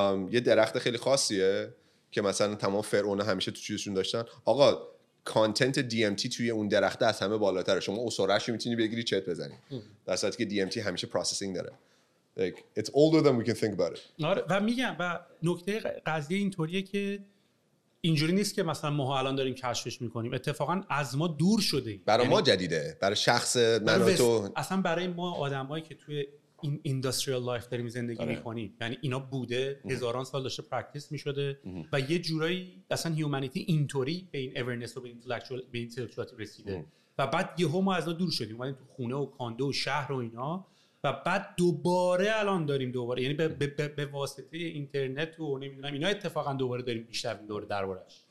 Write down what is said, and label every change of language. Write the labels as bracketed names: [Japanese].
[Persian] یه درخت خیلی خاصیه که مثلا تمام فرعون همیشه تو چیزشون داشتن. آقا کانتنت دی ام تی توی اون درخت از همه بالاتره، شما اسورش رو میتونی بگیری چت بزنی، در صورتی که دی ام تی همیشه پروسسینگ داره. [English] Like it's older than we can think about it. [Persian] و میگم و نکته قضیه اینطوریه که اینجوری نیست که مثلا ما الان داریم کشفش میکنیم، اتفاقا از ما دور شده. برای ما جدیده، برای شخص من و تو اصلا، برای ما آدمایی که توی این اینداستریال لایف داریم زندگی میکنیم، یعنی اینا بوده هزاران سال داشته پرکتیس میشده و یه جورایی اصلا هیومانیتی اینطوری به این اورننس و به اینتלקچوال به اینتלקچوال رسیده و بعد یهو ما از اون دور شدیم، اومدیم تو خونه و کاندو و شهر و اینا و بعد دوباره الان داریم دوباره، یعنی به واسطه اینترنت و نمیدونم اینا اتفاقا دوباره داریم بیشتر این دوره دربارش